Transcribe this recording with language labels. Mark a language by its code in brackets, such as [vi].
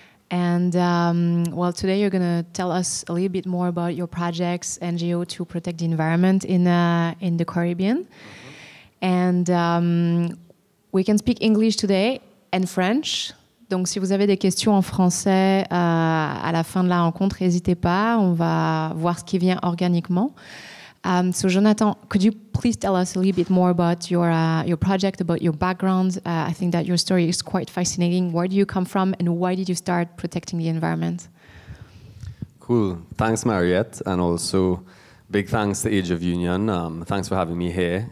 [en] And well, today you're going to tell us a little bit more about your projects, NGO to protect the environment in the Caribbean. And we can speak English today and French. [fr] Donc, si vous avez des questions en français à la fin de la rencontre, n'hésitez pas. On va voir ce qui vient organiquement. [en] So Jonathan, could you please tell us a little bit more about your project, about your background? I think that your story is quite fascinating. Where do you come from and why did you start protecting the environment? Cool. Thanks, Mariette. And also big thanks to Age of Union. Thanks for having me here.